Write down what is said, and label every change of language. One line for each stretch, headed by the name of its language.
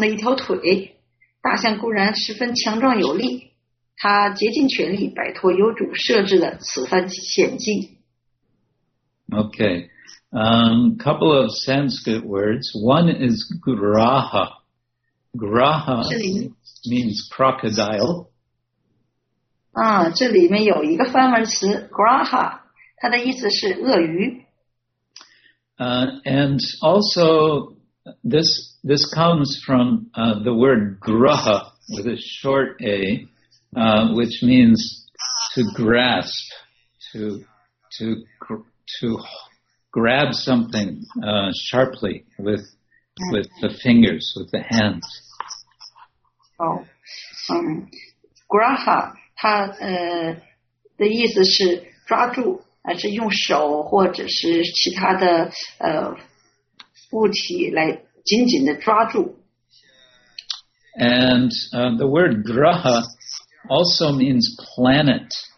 Chinese: 27节。国王啊，由于主的安排，一只凶猛的鳄鱼对大象愤怒不已，它在水中袭击了大象的一条腿。大象固然十分强壮有力。
English: Okay, a couple of Sanskrit words. One is graha. Graha means crocodile.
Chinese: 这里面有一个翻译词, graha, 它的意思是鳄鱼。
English: And also, this comes from the word graha, with a short A. Which means to grasp, to grab something sharply with the fingers, with the hands.
Chinese: Graha, 它的意思是抓住，是用手或者是其他的物体来紧紧的抓住。
English: And the word graha also means planet.